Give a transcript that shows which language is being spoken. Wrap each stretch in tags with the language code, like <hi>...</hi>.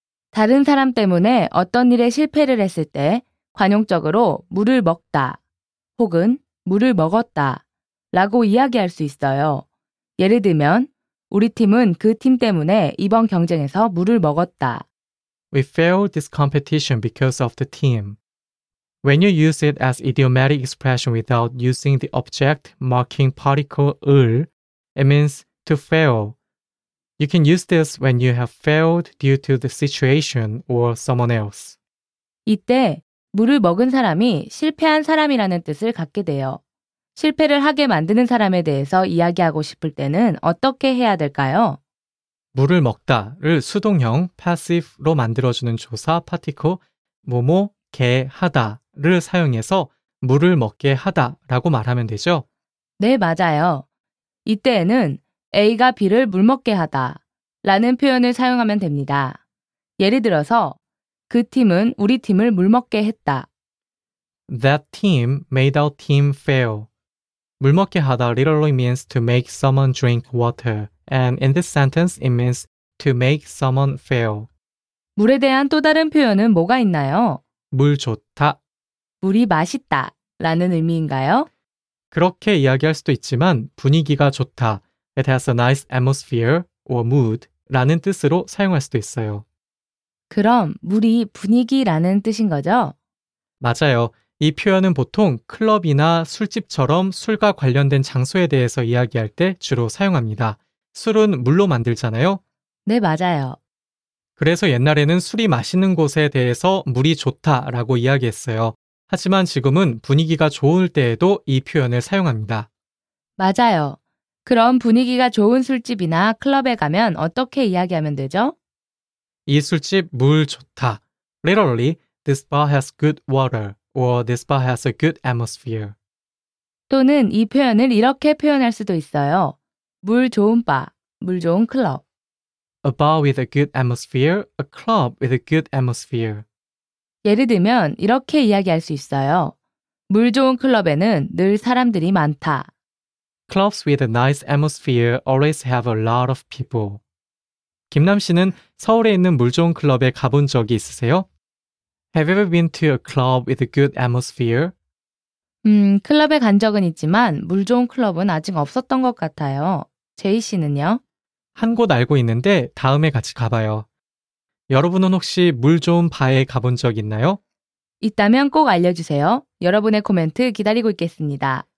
<ko>다른 사람 때문에 어떤 일에 실패를 했을 때 관용적으로 물을 먹다 혹은 물을 먹었다 라고 이야기할 수 있어요. 예를 들면 우리 팀은 그 팀 때문에 이번 경쟁에서 물을 먹었다.</ko> <en>We failed this competition because of the team. When you use it as idiomatic expression without using the object marking particle 을, it means to fail. You can use this when you have failed due to the situation or someone else.</en> <ko>이때 물을 먹은 사람이 실패한 사람이라는 뜻을 갖게 돼요. 실패를 하게 만드는 사람에 대해서 이야기하고 싶을 때는 어떻게 해야 될까요? 물을 먹다를 수동형 passive로 만들어주는 조사 particle 뭐뭐 게 하다를 사용해서 물을 먹게 하다라고 말하면 되죠? 네, 맞아요. 이때에는 A가 B를 물 먹게 하다 라는 표현을 사용하면 됩니다. 예를 들어서 그 팀은 우리 팀을 물 먹게 했다.</ko> <en>That team made our team fail.</en> <ko>물 먹게 하다</ko> <en>literally means to make someone drink water. And in this sentence, it means to make someone fail.</en> <ko>물에 대한 또 다른 표현은 뭐가 있나요? 물 좋다. 물이 맛있다 라는 의미인가요? 그렇게 이야기할 수도 있지만 분위기가 좋다.</ko> <en>It has a nice atmosphere or mood</en> <ko>라는 뜻으로 사용할 수도 있어요. 그럼 물이 분위기라는 뜻인 거죠? 맞아요. 이 표현은 보통 클럽이나 술집처럼 술과 관련된 장소에 대해서 이야기할 때 주로 사용합니다. 술은 물로 만들잖아요? 네, 맞아요. 그래서 옛날에는 술이 맛있는 곳에 대해서 물이 좋다라고 이야기했어요. 하지만 지금은 분위기가 좋을 때에도 이 표현을 사용합니다. 맞아요. 그럼 분위기가 좋은 술집이나 클럽에 가면 어떻게 이야기하면 되죠? 이 술집 물 좋다.</ko> <en>Literally, this bar has good water or this bar has a good atmosphere.</en> <ko>또는 이 표현을 이렇게 표현할 수도 있어요. 물 좋은 바, 물 좋은 클럽.</ko> <en>A bar with a good atmosphere, a club with a good atmosphere.</en> <ko>예를 들면 이렇게 이야기할 수 있어요. 물 좋은 클럽에는 늘 사람들이 많다.</ko> <en>Clubs with a nice atmosphere always have a lot of people.</en> <ko>김남 씨는 서울에 있는 물 좋은 클럽에 가본 적이 있으세요?</ko> <en>Have you ever been to a club with a good atmosphere?</en> <ko>클럽에 간 적은 있지만 물 좋은 클럽은 아직 없었던 것 같아요. 제이 씨는요? 한 곳 알고 있는데 다음에 같이 가봐요. 여러분은 혹시 물 좋은 바에 가본 적 있나요? 있다면 꼭 알려주세요. 여러분의 코멘트 기다리고 있겠습니다.</ko>